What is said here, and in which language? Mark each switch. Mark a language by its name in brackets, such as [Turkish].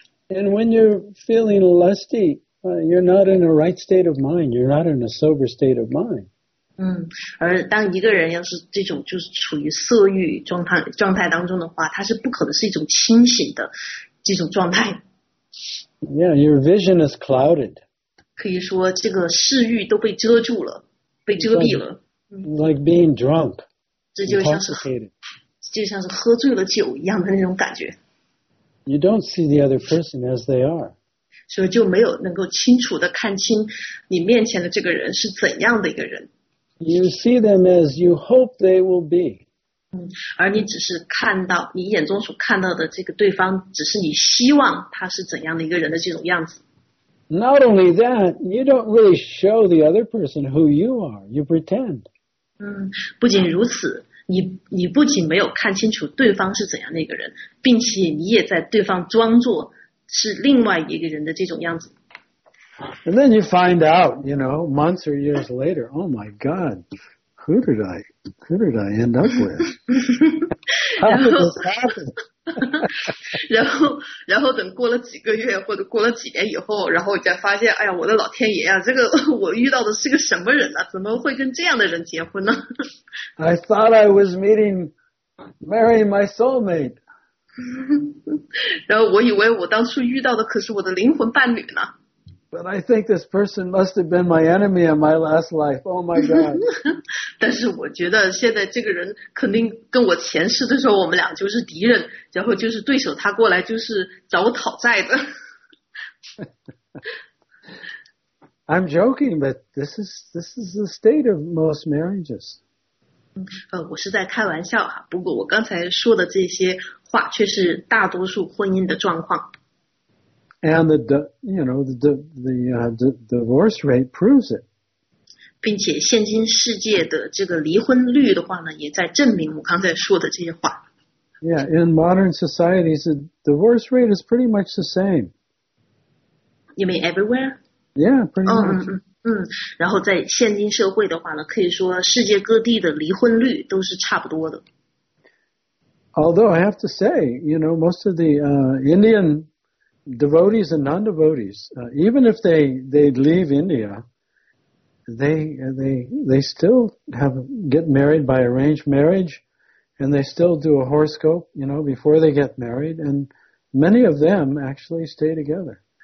[English] And when you're feeling lusty, you're not in a right state of mind. You're not in a sober state of mind. [Chinese] 嗯，而当一个人要是这种就是处于色欲状态当中的话，他是不可能是一种清醒的。这种状态 [English] Yeah, your vision is clouded. [Chinese] 可以说这个视域都被遮住了被遮蔽了 [English] like being drunk. [Chinese] 这就像是喝醉了酒一样的那种感觉 [English] You don't see the other person as they are. [Chinese] 所以就没有能够清楚地看清你面前的这个人是怎样的一个人 [English] You see them as you hope they will be. [Chinese] 而你只是看到你眼中所看到的这个对方只是你希望他是怎样的一个人的这种样子 [English] Not only that, you don't really show the other person who you are, you pretend [Chinese] 不仅如此 你不仅没有看清楚对方是怎样的一个人并且你也在对方装作是另外一个人的这种样子 [English] And then you find out, you know, months or years later, oh my god,Who did I end up with? How did this happen? [Chinese] 然后等过了几个月或者过了几年以后，然后我才发现，哎呀，我的老天爷啊，这个我遇到的是个什么人啊？怎么会跟这样的人结婚呢 [English] ？I thought I was meeting, marrying my soulmate. [Chinese] 然后我以为我当初遇到的可是我的灵魂伴侣呢。 [English] But I think this person must have been my enemy in my last life. Oh my God. [Chinese] 但是我觉得现在这个人肯定跟我前世的时候我们俩就是敌人然后就是对手他过来就是找我讨债的。 [English] I'm joking, but this is the state of most marriages. [Chinese] 我是在开玩笑啊不过我刚才说的这些话却是大多数婚姻的状况。 [English] And the divorce rate proves it. [Chinese] 并且现今世界的这个离婚率的话呢，也在证明我刚才说的这些话。 [English] Yeah, in modern societies, the divorce rate is pretty much the same. You mean everywhere? Yeah, pretty much. [Chinese] 然后在现今社会的话呢，可以说世界各地的离婚率都是差不多的。 [English] Although I have to say, you know, most of the Indian devotees and non-devotees, even if they leave India, they still get married by arranged marriage, and they still do a horoscope, you know, before they get married, and many of them actually stay together.